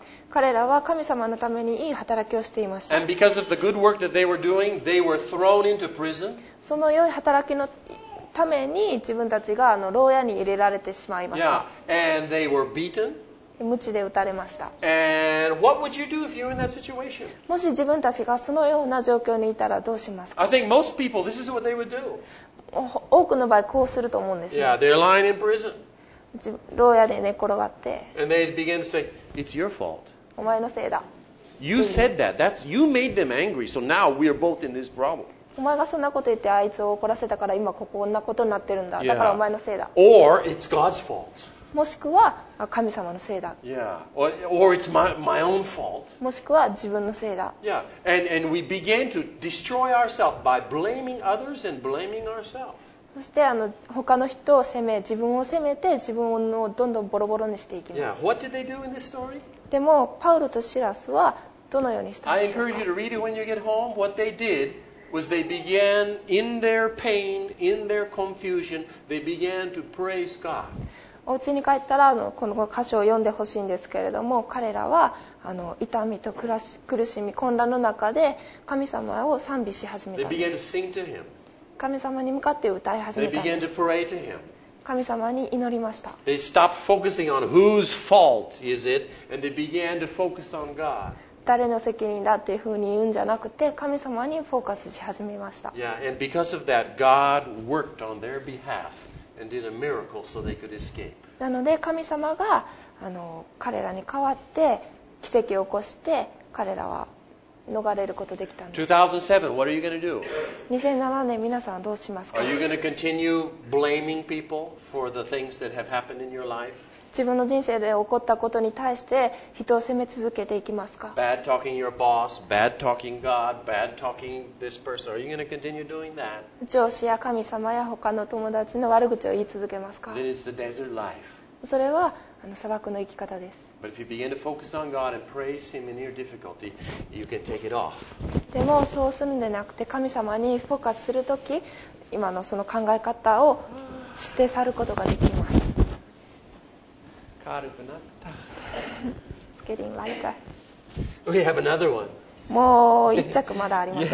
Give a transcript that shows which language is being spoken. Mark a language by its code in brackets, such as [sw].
[ja] 彼らは神様のためにいい働きをしていました。 [en] Doing, [ja] その良い働きのために自分たちが牢屋に入れられてしまいました。 [en] Yeah. And they were beaten. [ja] 鞭で打たれました。 [en] And what would you do if you were in that situation? [ja] もし自分たちがそのような状況にいたらどうしますか? [en] I think most people, this is what they would do. [ja] 多くの場合こうすると思うんですね。 [en] Yeah, they're lying in prison. [ja] 牢屋で寝転がって。 [en] And they'd begin to say, it's your fault. [ja] お前のせいだ。 [en] You said that. That's, you made them angry. So now we are both in this problem. [ja] お前がそんなこと言ってあいつを怒らせたから今こんなことになってるんだ。だからお前のせいだ。 [en] Yeah. Or it's God's fault. [ja] もしくは神様のせいだ。 [en] Yeah. Or it's my own fault. [ja] もしくは自分のせいだ。 [en] Yeah. And we began to destroy ourselves by blaming others and blaming ourselves. [ja] そして他の人を責め、自分を責めて自分をどんどんボロボロにしていきます。 [en] Yeah. What did they do in this story? [ja] でもパウロとシラスはどのようにしたんでしょうか? [en] I encourage you to read it when you get home. What they did was they began in their pain, in their confusion, they began to praise God. [ja] お家に帰ったらこの箇所を読んでほしいんですけれども、彼らは痛みと苦しみ混乱の中で神様を賛美し始めたんです。 [en] They began to sing to him. [ja] 神様に向かって歌い始めたんです。 [en] They began to pray to him. [ja] 神様に祈りました。 [en] They stopped focusing on whose fault is it, and they began to focus on God. [ja] 誰の責任だっていうふうに言うんじゃなくて神様にフォーカスし始めました。 [en] Yeah, and because of that, God worked on their behalfAnd did a miracle so they could escape. [ja] なので神様が彼らに代わって奇跡を起こして彼らは逃れることができたんです。 [en] 2007, what are you going to do? [ja] 2007年皆さんはどうしますか? [en] Are you going to continue blaming people for the things that have happened in your life? [ja] 自分の人生で起こったことに対して人を責め続けていきますか? [en] Bad talking your boss, bad talking God, bad talking this person. Are you going to continue doing that? [ja] 上司や神様や他の友達の悪口を言い続けますか? [en] Then it's the desert life. [ja] それは砂漠の生き方です。 [en] But if you begin to focus on God and praise Him in your difficulty, you can take it off. [ja] でもそうするんでなくて神様にフォーカスするとき、今のその考え方を捨て去ることができます。軽くなった。 [en] It's getting lighter. We have another one. [ja] もう一着まだあります。